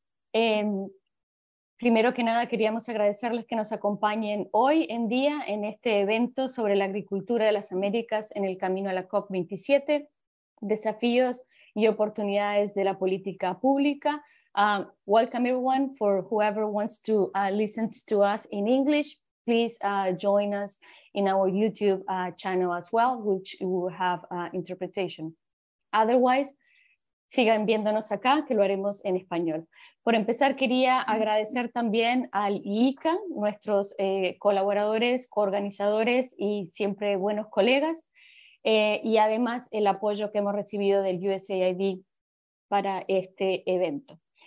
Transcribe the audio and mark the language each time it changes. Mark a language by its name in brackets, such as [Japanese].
[Spanish] Primero que nada, queríamos agradecerles que nos acompañen hoy en día en este evento sobre la agricultura de las Américas en el camino a la COP27, desafíos y oportunidades de la política pública. [English] Welcome, everyone, for whoever wants to listen to us in English. Please join us in our YouTube channel as well, which will have interpretation. [Spanish] Otherwise, sigan viéndonos acá, que lo haremos en español. Por empezar, quería agradecer también al IICA, nuestros colaboradores, coorganizadores y siempre buenos colegas, y además el apoyo que hemos recibido del USAID para este evento.